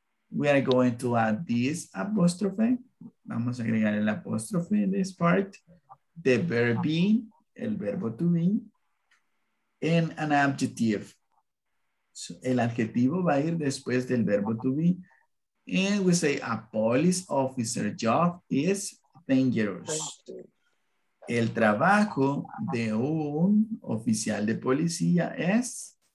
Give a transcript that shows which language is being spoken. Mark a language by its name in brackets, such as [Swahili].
[English] We are going to add this apostrophe. [Spanish] Vamos a agregar el apostrophe [English] in this part. The verb be, [Spanish] el verbo [English] to be. En an adjective. [Spanish] So el adjetivo va a ir después del verbo to be. [English] And we say a police officer job is dangerous. [Spanish] El trabajo de un oficial de policía es.